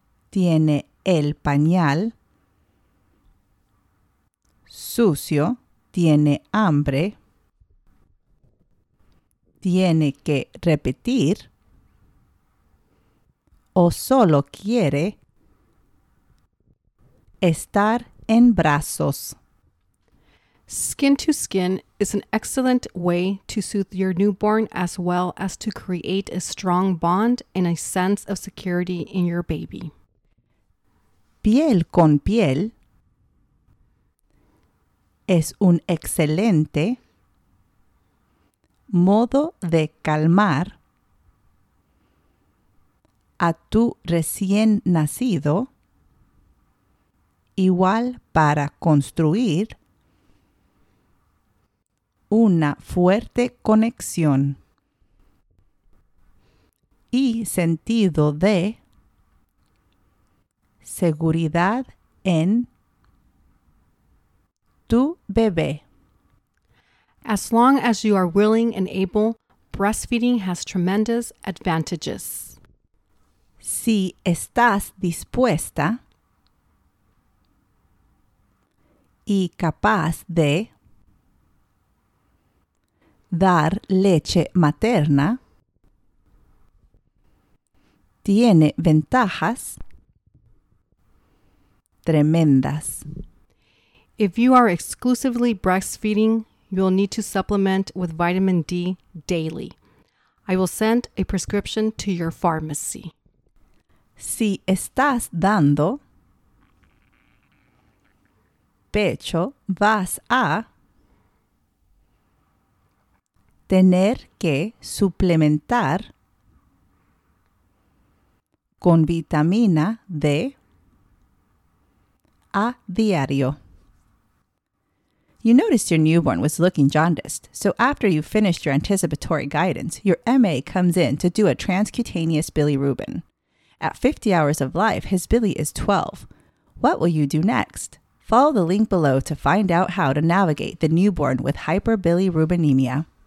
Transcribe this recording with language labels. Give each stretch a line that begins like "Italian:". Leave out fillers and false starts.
Spanish: Tiene el pañal sucio, tiene hambre, tiene que repetir o solo quiere estar en brazos.
English: Skin to skin is an excellent way to soothe your newborn as well as to create a strong bond and a sense of security in your baby.
Spanish: Piel con piel es un excelente modo de calmar a tu recién nacido, igual para construir una fuerte conexión y sentido de seguridad en tu bebé.
English: As long as you are willing and able, breastfeeding has tremendous advantages.
Spanish: Si estás dispuesta y capaz de dar leche materna tiene ventajas tremendas.
English: If you are exclusively breastfeeding, you'll need to supplement with vitamin D daily. I will send a prescription to your pharmacy.
Spanish: Si estás dando pecho, vas a tener que suplementar con vitamina D a diario.
English: You noticed your newborn was looking jaundiced, so after you finished your anticipatory guidance, your MA comes in to do a transcutaneous bilirubin. At 50 hours of life, his Billy is 12. What will you do next? Follow the link below to find out how to navigate the newborn with hyperbilirubinemia.